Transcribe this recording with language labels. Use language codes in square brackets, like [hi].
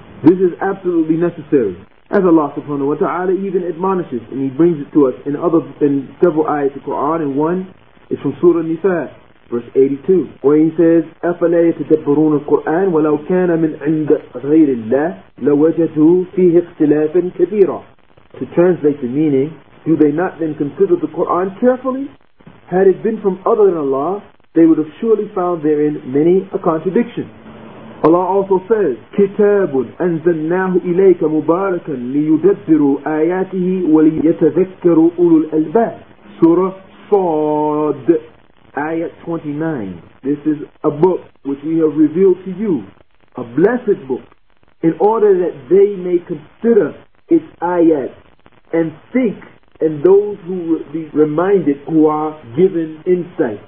[en] This is absolutely necessary. As Allah subhanahu wa ta'ala even admonishes, and He brings it to us in other, in several ayahs of the Quran, and one is from Surah Nisa, verse 82, where He says, [ar] أَفَلَا يَتَدَبَّرُونَ الْقُرْآنَ وَلَوْ كَانَ مِنْ عِنْدَ غَيْرِ اللَّهِ لَوَجَدُوا فِيهِ اخْتِلَافٍ كَبِيرًا. [en] To translate the meaning, do they not then consider the Quran carefully? Had it been from other than Allah, they would have surely found therein many a contradiction. Allah also says, [ar] كِتَابٌ أَنزَلْنَاهُ إِلَيْكَ مُبَارَكًا لِيُدَبِّرُوا آيَاتِهِ وَلِيَتَذَكَّرُوا أُولُو الْأَلْبَابِ. [en] Surah Sad, Ayat 29. This is a book which we have revealed to you, a blessed book, in order that they may consider its ayat and think, and those who will be reminded who are given insight.